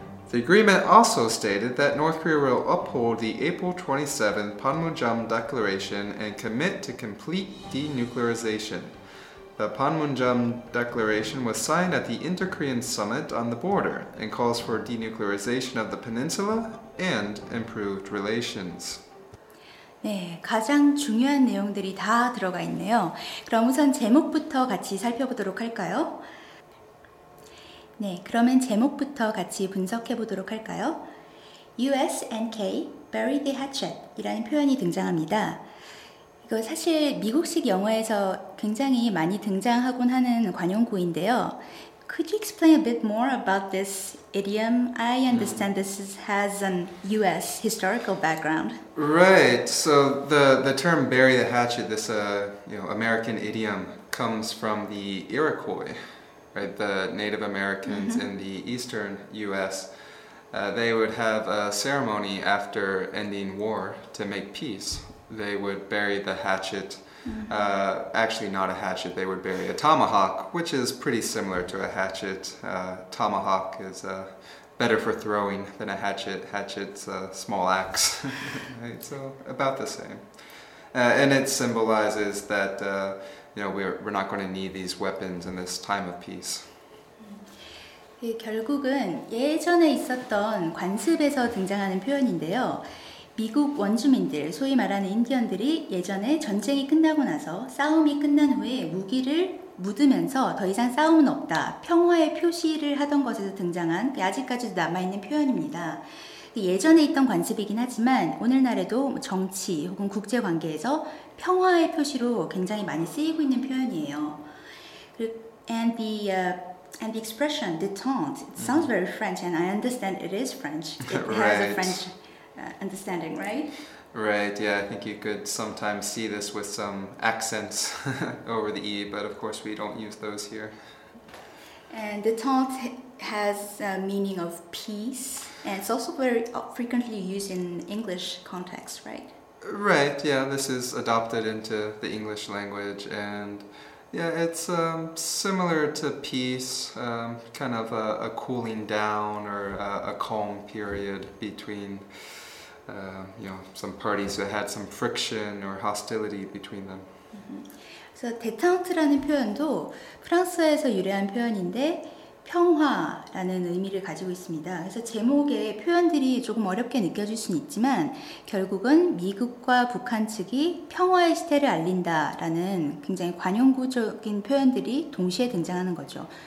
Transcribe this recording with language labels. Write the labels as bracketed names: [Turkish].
[English] The agreement also stated that North Korea will uphold the April 27th Panmunjom Declaration and commit to complete denuclearization. The Panmunjom Declaration was signed at the Inter-Korean Summit on the border and calls for denuclearization of the peninsula and improved relations. [Korean] 네, 가장 중요한 내용들이 다 들어가 있네요. 그럼 우선 제목부터 같이 살펴보도록 할까요? 네, 그러면 제목부터 같이 분석해 보도록 할까요? [English] US and K bury the hatchet [Korean] 이라는 표현이 등장합니다. 이거 사실 미국식 영어에서 굉장히 많이 등장하곤 하는 관용구인데요. [English] Could you explain a bit more about this idiom? I understand this has an US historical background. Right, so the term bury the hatchet, this American idiom, comes from the Iroquois. Right, the Native Americans in the eastern U.S., they would have a ceremony after ending war to make peace. They would bury the hatchet, actually not a hatchet, they would bury a tomahawk, which is pretty similar to a hatchet. Tomahawk is better for throwing than a hatchet. Hatchet's a small axe, right? So about the same. And it symbolizes that... we're not going to need these weapons in this time of peace. [Korean] 예, 결국은 예전에 있었던 관습에서 등장하는 표현인데요. 미국 원주민들, 소위 말하는 인디언들이 예전에 전쟁이 끝나고 나서 싸움이 끝난 후에 무기를 묻으면서 더 이상 싸움은 없다, 평화의 표시를 하던 것에서 등장한 아직까지도 남아있는 표현입니다. 예전에 있던 관습이긴 하지만 오늘날에도 정치 혹은 국제 관계에서 평화의 표시로 굉장히 많이 쓰이고 있는 표현이에요. [English] And the expression detente, it sounds very French, and I understand it is French. It right. has a French understanding, right? Right. Yeah, I think you could sometimes see this with some accents over the E, but of course we don't use those here. And the taunt has a meaning of peace, and it's also very frequently used in English context, right? Right, yeah, this is adopted into the English language, and yeah, it's similar to peace, kind of a cooling down or a calm period between, some parties that had some friction or hostility between them. Mm-hmm. [Korean] So, 대탕트라는 표현도 프랑스에서 유래한 표현인데 평화라는 의미를 가지고 있습니다. 그래서 제목의 표현들이 조금 어렵게 느껴질 수는 있지만 결국은 미국과 북한 측이 평화의 시대를 알린다라는 굉장히 관용구적인 표현들이 동시에 등장하는 거죠.